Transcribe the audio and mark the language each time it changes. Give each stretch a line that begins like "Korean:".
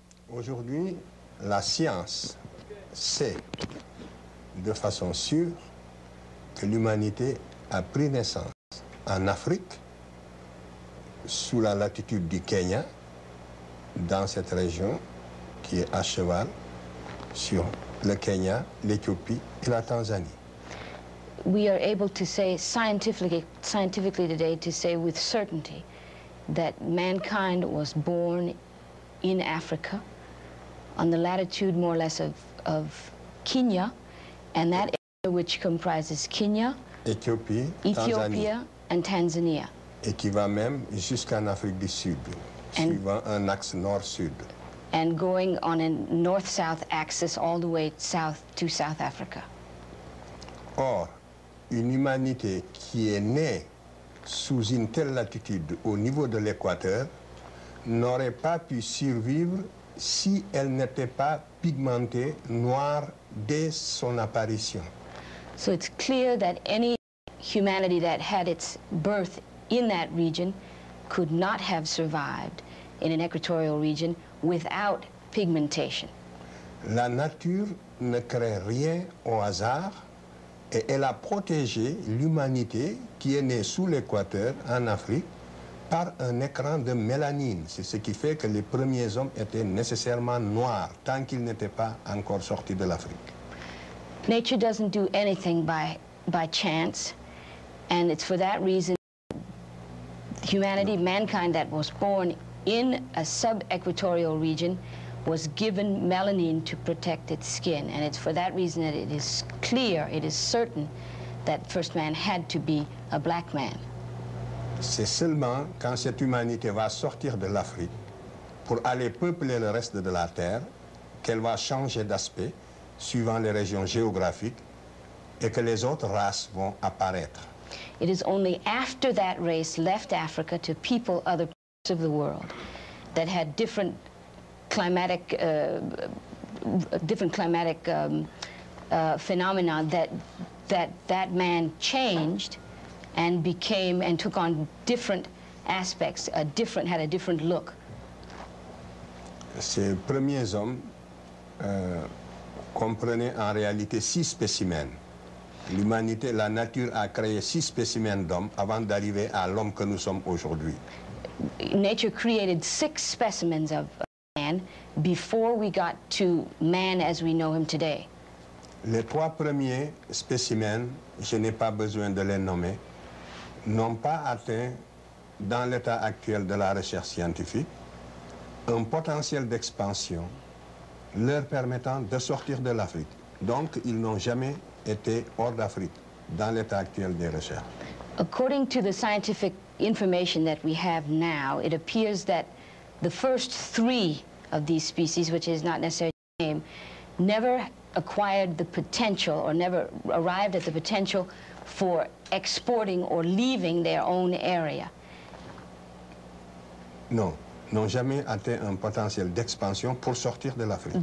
French: Aujourd'hui, la science sait de façon sûre que l'humanité a pris naissance en Afrique, sous la latitude du Kenya, dans cette région qui est à cheval sur le Kenya, l'Éthiopie et la Tanzanie.
English: We are able to say scientifically today to say with certainty that mankind was born in Africa on the latitude more or less of Kenya, and that area which comprises Kenya, Ethiopia, and Tanzania.
French: Et qui va même jusqu'en Afrique du Sud, suivant un axe nord-sud.
English: And going on a north-south axis all the way south to South Africa.
French: Or, une humanité qui est née sous une telle latitude au niveau de l'équateur n'aurait pas pu survivre si elle n'était pas pigmentée noire dès son apparition.
English: So it's clear that any humanity that had its birth in that region could not have survived in an equatorial region without pigmentation.
French: La nature ne crée rien au hasard. Et elle a protégé l'humanité qui est née sous l'équateur en Afrique par un écran de mélanine. C'est ce qui fait que les premiers hommes étaient nécessairement noirs tant qu'ils n'étaient pas encore sortis de l'Afrique.
English: Nature doesn't do anything by chance, and it's for that reason humanity, mankind that was born in a sub-equatorial region was given melanin to protect its skin, and it's for that reason that it is clear, it is certain, that first man had to be a black man.
French: C'est seulement quand cette humanité va sortir de l'Afrique pour aller peupler le reste de la Terre qu'elle va changer d'aspect suivant les régions géographiques et que les autres races vont apparaître.
English: It is only after that race left Africa to people other parts of the world that had different phenomena that man changed and became and took on different aspects, had a different look.
French: Ces premiers hommes comprenaient en réalité six spécimens. L'humanité, la nature a créé six spécimens d'hommes avant d'arriver à l'homme que nous sommes aujourd'hui.
English: Nature created six specimens of before we got to man as we know him today.
French: Les trois premiers spécimens, je n'ai pas besoin de les nommer, n'ont pas atteint, dans l'état actuel de la recherche scientifique, un potentiel d'expansion leur permettant de sortir de l'Afrique. Donc, ils n'ont jamais été hors d'Afrique dans l'état actuel des recherches.
English: According to the scientific information that we have now, it appears that the first three of these species, which is not necessarily the name, never acquired the potential or never arrived at the potential for exporting or leaving their own area. No,
French: n'ont jamais atteint un potentiel d'expansion pour sortir de l'Afrique.